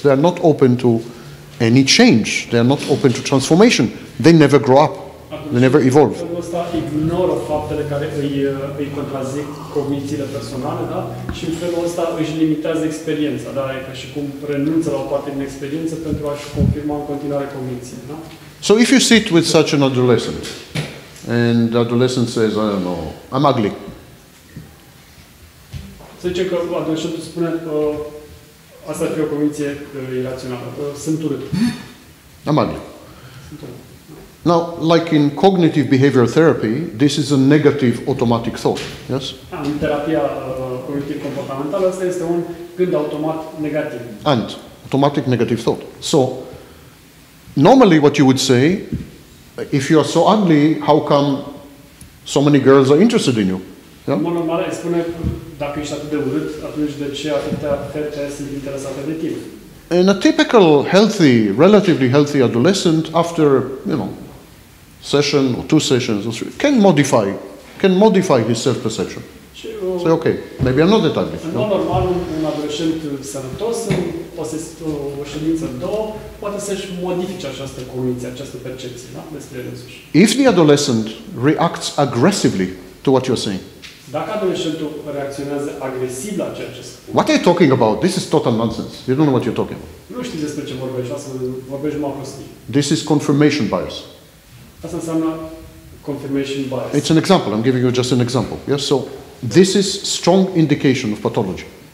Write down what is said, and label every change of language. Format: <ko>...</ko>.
<en>They are not open to any change. They are not open to transformation. They never grow up.</en> <ro>Atunci când</ro> <en>They never evolve.</en> <ro>Felul ăsta ignoră faptele care îi contrazic cognițiile personale, da? Și în felul ăsta își limitează experiența, da? E ca și cum renunță la o parte din experiență pentru a-și confirma în continuare cognițiile, da?</ro> <en>So if you sit with such an adolescent, and the adolescent says, I don't know, I'm ugly.</en> <ro>Să zice că adolescentul spune, asta ar fi o cogniție irațională, sunt urât.</ro> <en>I'm ugly. Now, like in cognitive behavioral therapy, this is a negative automatic thought, yes?</en> <ro>În terapia cognitiv-comportamentală, asta este un gând automat negativ.</ro> <en>And, automatic negative thought. So, normally what you would say, if you are so ugly, how come so many girls are interested in you? Yeah?</en> <ro>Mă normal, îi spune, dacă ești atât de urât, atunci de ce atâtea fete sunt interesate de tine?</ro> <en>In a typical healthy, relatively healthy adolescent, after, you know, session or two sessions or three, can modify his self-perception. Say, okay, maybe I'm not that ugly. No?</en> <ro>Normal, un adolescent sănătos, o ședință, două, poate să-și modifice această cognitie, această percepție, da? Despre el însuși.</ro> <en>If the adolescent reacts aggressively to what you're saying,</en> <ro>dacă adolescentul reacționează agresiv la ceea ce spune.</ro> <en>What are you talking about? This is total nonsense. You don't know what you're talking about.</en> <ro>Nu știi despre ce vorbești, asta vorbești numai prostii.</ro> <en>This is confirmation bias.</en> <ro>Asta înseamnă confirmation bias.</ro> <en>It's an example. I'm giving you just an example. Yes, so this is strong indication of pathology.</en>